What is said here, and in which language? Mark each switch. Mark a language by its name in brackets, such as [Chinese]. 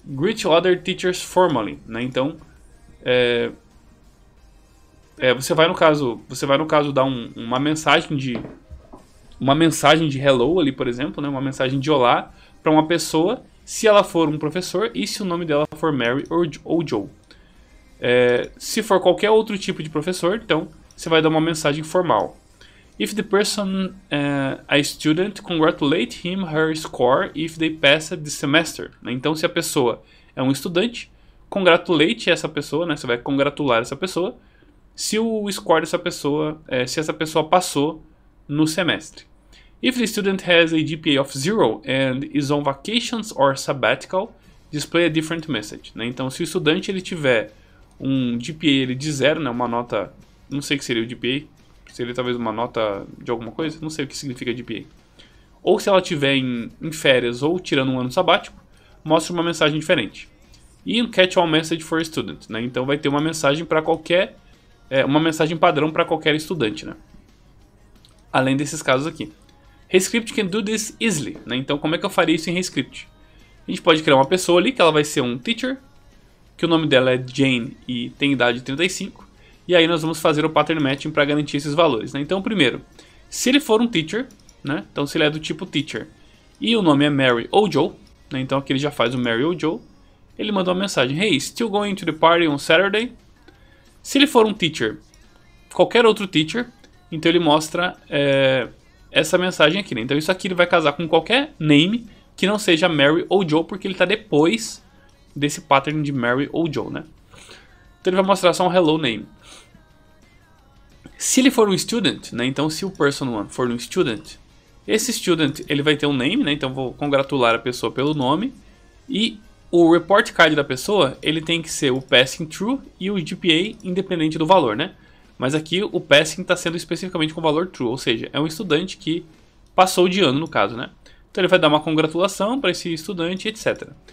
[English] Greet other teachers formally, [Portuguese] né? Então, você vai, no caso, dar uma mensagem de hello ali, por exemplo, né? Uma mensagem de olá para uma pessoa, se ela for um professor e se o nome dela for Mary ou Joe. Se for qualquer outro tipo de professor, então, você vai dar uma mensagem formal. [English] If the person a student, congratulate him or her score if they pass the semester. [Portuguese] Então, se a pessoa é um estudante, congratulate essa pessoa, né? Você vai congratular essa pessoa se o score dessa pessoa, se essa pessoa passou no semestre. [English] If the student has a GPA of 0 and is on vacations or sabbatical, display a different message. [Portuguese] Então, se o estudante ele tiver um GPA ele de 0, né? Uma nota... Não sei o que seria o GPA. Seria talvez uma nota de alguma coisa. Não sei o que significa GPA. Ou se ela estiver em férias ou tirando um ano sabático, mostra uma mensagem diferente. E um [English] catch all message for student, [Portuguese] né? Então vai ter uma mensagem para qualquer... uma mensagem padrão para qualquer estudante, né? Além desses casos aqui. [English] Rescript can do this easily, né? [Portuguese] Então como é que eu faria isso em Rescript? A gente pode criar uma pessoa ali, que ela vai ser um teacher, que o nome dela é Jane e tem idade de 35. E aí nós vamos fazer o pattern matching para garantir esses valores, né? Então, primeiro, se ele for um teacher, né? Então, se ele é do tipo teacher e o nome é Mary ou Joe, né? Então, aqui ele já faz o Mary ou Joe. Ele manda uma mensagem. [English] Hey, still going to the party on Saturday? [Portuguese] Se ele for um teacher, qualquer outro teacher, então ele mostra essa mensagem aqui, né? Então, isso aqui ele vai casar com qualquer name que não seja Mary ou Joe, porque ele está depois desse pattern de Mary ou Joe, né? Então, ele vai mostrar só um hello name. Se ele for um student, né, então se o person 1 for um student, esse student ele vai ter um name, né, então vou congratular a pessoa pelo nome, e o report card da pessoa, ele tem que ser o passing true e o GPA independente do valor, né, mas aqui o passing está sendo especificamente com o valor true, ou seja, é um estudante que passou de ano no caso, né, então ele vai dar uma congratulação para esse estudante, etc.